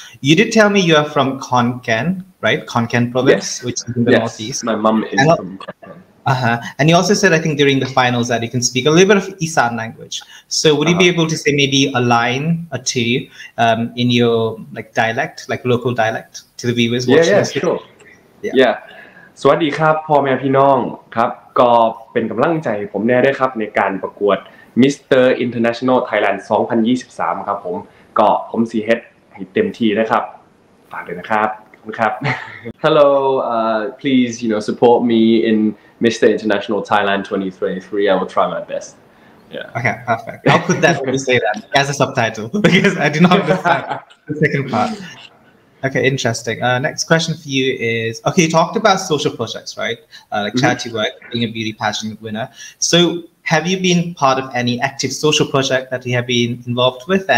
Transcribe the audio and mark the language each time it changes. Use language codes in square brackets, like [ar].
[en] You did tell me you are from Khon Kaen, right? Khon Kaen province, which is in the northeast. My mum is from Khon Kaen. And you also said, I think during the finals, that you can speak a little bit of Isan language. So would you be able to say maybe a line or two in your like dialect, like local dialect, to the viewers watching? Yeah, sure. [th] สวัสดีครับพ่อแม่พี่น้องครับก็เป็นกำลังใจผมแน่ด้วยครับในการประกวด Mr. International Thailand 2023ครับผมก็ผมซีเฮดให้เต็มที่นะครับฝากด้วยนะครับขอบคุณครับ [en] Hello please you know support me in Mr. International Thailand 2023 I will try my best Okay perfect I'll put that when you say that as a subtitle because I do not understand the second part Okay, interesting. Next question for you is, okay, you talked about social projects, right? Like charity work, being a beauty pageant winner. So have you been part of any active social project that you have been involved with?